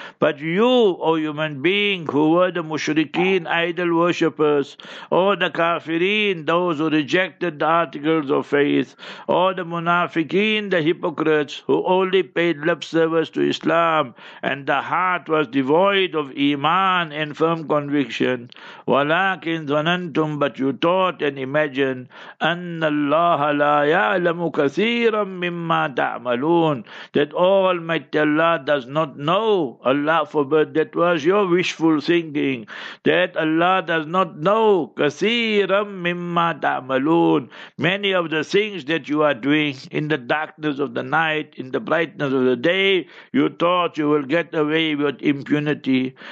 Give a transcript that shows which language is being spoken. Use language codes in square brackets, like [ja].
[en] But you, O human being, who were the mushrikeen, idol worshippers, or the kafirin, those who rejected the articles of faith, or the munafiqeen, the hypocrites, who only paid lip service to Islam, and the heart was devoid of iman and firm conviction. [ar] وَلَاكِنْ زَنَنْتُمْ. [en] But you thought and imagined, [ar] أَنَّ اللَّهَ لَا يَعْلَمُ كَثِيرًا مِمَّا تَعْمَلُونَ. [en] That all Almighty Allah does not know, Allah forbid, that was your wishful thinking, that Allah does not know, [ar] كَثِيرًا مِمَّا تَعْمَلُونَ, [en] many of the things that you are doing in the darkness of the night, in the brightness of the day, you thought you will get away with impunity.